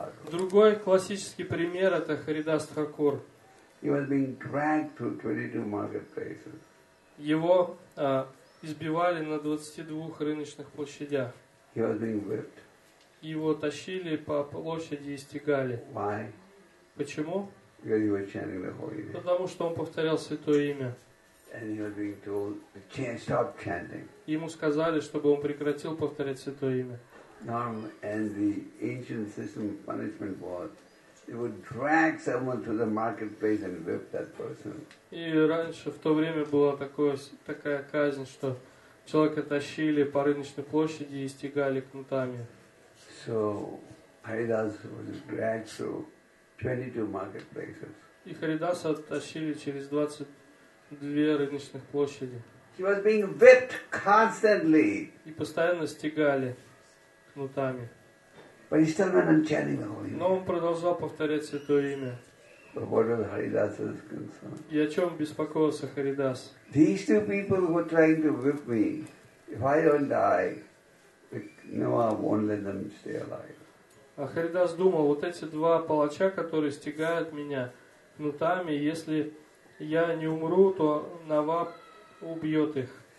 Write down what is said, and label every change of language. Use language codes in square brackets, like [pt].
[ru] Другой классический пример – это Харидас Тхакур. Его избивали на 22 рыночных площадях. Его тащили по площади и стегали. Почему? Потому что он повторял святое имя. [en] And he was being told to stop chanting. [ru] Ему сказали, чтобы он прекратил повторять святое имя. [en] Norm and the ancient system of punishment was, they would drag someone to the marketplace and whip that person. [ru] И раньше в то время была такая казнь, что человека тащили по рыночной площади и стегали кнутами. [en] So Haridas was dragged through 22 marketplaces. [ru] И Харидаса тащили через 22 рыночных площади. [en] He was being whipped constantly. [ru] И постоянно стегали кнутами. [en] But he still went on chanting the holy name. [ru] Но он продолжал повторять святое имя. [en] But what was Haridas's concern? [ru] И о чем беспокоился Харидас? [en] These two people were trying to whip me. If I don't die, Noah won't let them stay alive. [ru] А Харидас думал: вот эти два палача, которые стегают меня кнутами, если я не умру, то Нава убьет их.